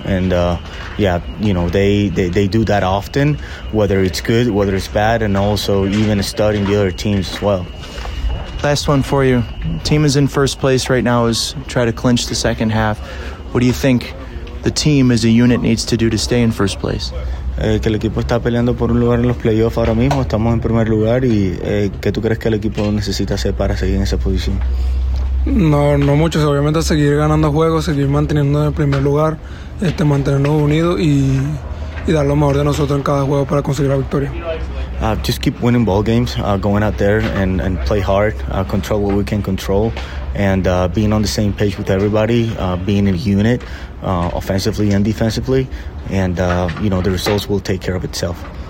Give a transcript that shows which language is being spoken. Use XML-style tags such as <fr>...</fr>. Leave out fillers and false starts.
<en>They do that often, whether it's good, whether it's bad, and also even studying the other teams as well. Last one for you. Team is in first place right now as try to clinch the second half. What do you think the team as a unit needs to do to stay in first place?</en> <es>Que el equipo está peleando por un lugar en los playoffs ahora mismo. Estamos en primer lugar y ¿qué tú crees que el equipo necesita hacer para seguir en esa posición? No mucho. Obviamente seguir ganando juegos, seguir manteniendo en primer lugar, mantenernos unidos y dar lo mejor de nosotros en cada juego para conseguir la victoria.</es> <en>Just keep winning ball games, going out there and play hard, control what we can control, and being on the same page with everybody, being a unit, offensively and defensively, and the results will take care of itself.</en>